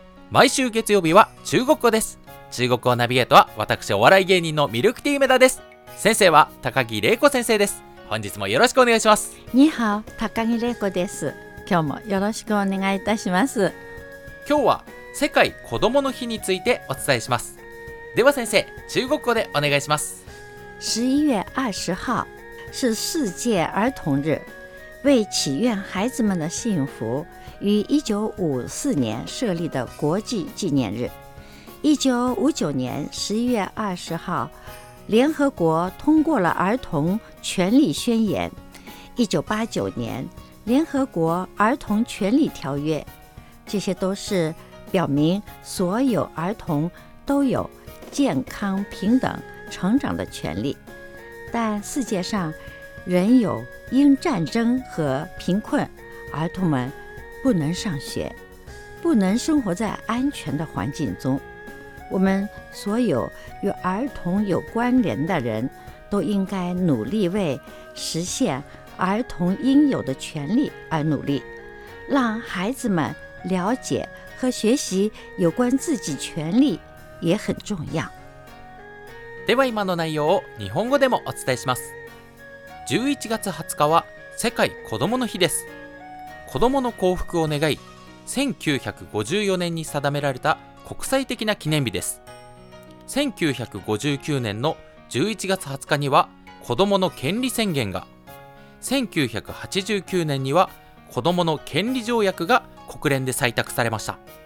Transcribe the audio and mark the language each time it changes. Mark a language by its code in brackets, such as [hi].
[ja] 毎週月曜日は中国語です。中国語ナビゲートは私お笑い芸人のミルクティー梅田です。先生は高木玲子先生です。本日もよろしくお願いします。 [zh] 你好、 [ja] 高木玲子です。今日もよろしくお願いいたします。今日は世界子どもの日についてお伝えします。では先生、中国語でお願いします。 [zh] 11月20号是世界儿童日，为祈愿孩子们的幸福，于1954年设立的国际纪念日。 1959年11月20号，联合国通过了《儿童权利宣言》。 1989年，联合国《儿童权利条约》，这些都是表明所有儿童都有健康、平等成长的权利。但世界上仍有因战争和贫困，儿童们不能上学，不能生活在安全的环境中。我们所有与儿童有关联的人都应该努力为实现儿童应有的权利而努力，让孩子们了解和学习有关自己权利也很重要。 [ja] では今の内容を日本語でもお伝えします。11月20日は世界子どもの日です。子どもの幸福を願い、1954年に定められた国際的な記念日です。 1959年の11月20日には子どもの権利宣言が、1989年には子どもの権利条約が国連で採択されました。